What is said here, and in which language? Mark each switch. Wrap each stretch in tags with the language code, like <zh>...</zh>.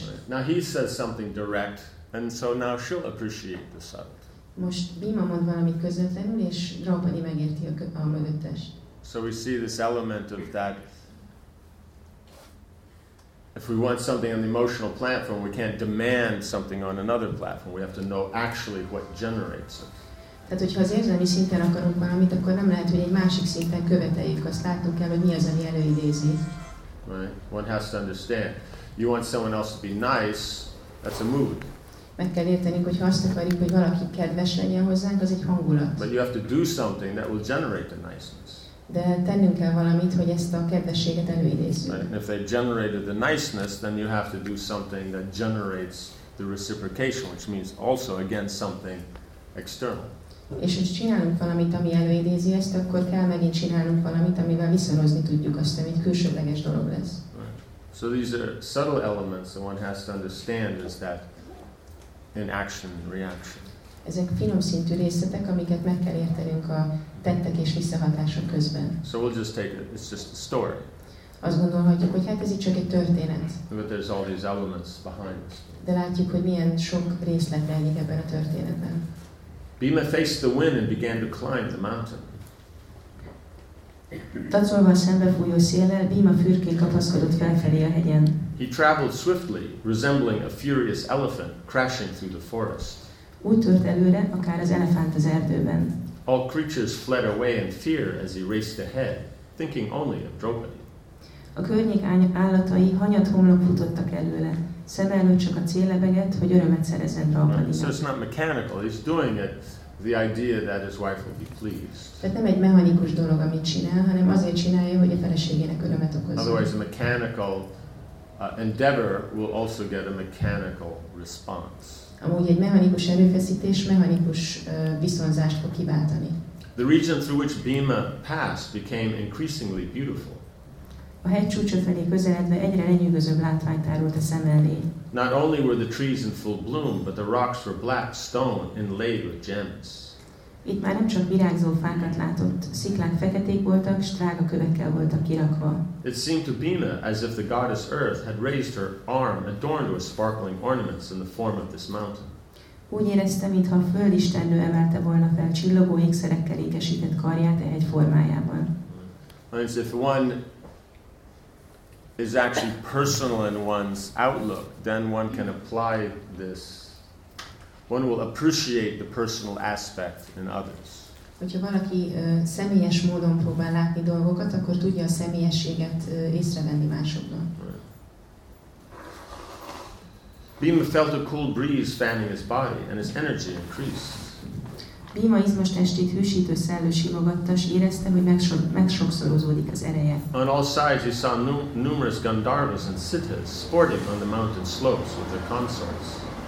<en>Right. Now he says something direct, and so now she'll appreciate the subtlety.</en> <hu>Most Bhima mond valamit közvetlenül, és Draupadi megérti a mögöttes.</hu> <en>So we see this element of that. If we want something on the emotional platform, we can't demand something on another platform. We have to know actually what generates it.</en> <hu>Tehát, hogyha az érzelmi szinten akarunk valamit, akkor nem lehet, hogy egy másik szinten követeljük, azt látunk kell, hogy mi az, ami előidézi.</hu> <en>Right. One has to understand. You want someone else to be nice, that's a mood.</en> <hu>Meg kell értenünk, hogy ha azt akarjuk, hogy valaki kedves legyen hozzánk, az egy hangulat.</hu> <en>But you have to do something that will generate the niceness.</en> <hu>De tennünk kell valamit, hogy ezt a kedvességet előidézzük.</hu> <en>Right. And if they generated the niceness, then you have to do something that generates the reciprocation, which means also again something external.</en> <hu>És hogy csinálunk valamit, ami előidézi ezt, akkor kell megint csinálnunk valamit, amivel viszonozni tudjuk azt, ami egy külsődleges dolog lesz.</hu> <en>So these are subtle elements that one has to understand is that in action and reaction.</en> <hu>Ezek finom szintű részletek, amiket meg kell értenünk a tettek és visszahatások közben.</hu> <en>So we'll just take it, it's just a story.</en> <hu>Azt gondolhatjuk, hogy hát ez itt csak egy történet.</hu> <en>But there's all these elements behind it.</en> <hu>De látjuk, hogy milyen sok részlet rejlik ebben a történetben.</hu> <en>Bhima faced the wind and began to climb the mountain.</en> <hu>Tatszolva a szembefújó széllel, Bhima fürkén kapaszkodott felfelé a hegyen.</hu> <en>He traveled swiftly, resembling a furious elephant crashing through the forest.</en> <hu>Úgy tört előre, akár az elefánt az erdőben.</hu> <en>All creatures fled away in fear as he raced ahead, thinking only of Draupadi.</en> <hu>A környék állatai hanyat homlok futottak előle. Szeme előtt csak a cél lebegett, hogy örömet szerezzen Draupadinak.</hu> <en>So it's not mechanical, he's doing it the idea that his wife will be pleased.</en> <hu>Tehát nem egy mechanikus dolog, amit csinál, hanem azért csinálja, hogy a feleségének örömet okozza.</hu> <en>Otherwise a mechanical endeavor will also get a mechanical response.</en> <hu>Amúgy egy mechanikus erőfeszítés mechanikus viszonzást fog kiváltani.</hu> <en>The region through which Bhima passed became increasingly beautiful.</en> <hu>A hegy csúcsa felé közeledve egyre lenyűgözőbb látványt árult a szem elé.</hu> <en>Not only were the trees in full bloom, but the rocks were black stone inlaid with gems.</en> <hu>Itt már nem csak virágzó fákat látott, sziklák feketék voltak, s drága kövekkel voltak kirakva.</hu> <en>It seemed to Bhima as if the goddess Earth had raised her arm adorned with sparkling ornaments in the form of this mountain.</en> <hu>Úgy érezte, mintha a föld istennő emelte volna fel csillogó ékszerekkel ékesített karját e hegy formájában.</hu> <en>As if one is actually personal in one's outlook, then one can apply this. One will appreciate the personal aspect in others.</en> <hu>Hogyha valaki személyes módon próbál látni dolgokat, akkor tudja a személyességet észrevenni másokban.</hu> <en>Bhima felt a cool breeze fanning his body, and his energy increased.</en> <hu>Bhima izmos testét hűsítő szellő simogatta, és érezte, hogy megsokszorozódik az ereje.</hu> <en>On all sides he saw numerous gandharvas and sitas sporting on the mountain slopes with their consorts.</en>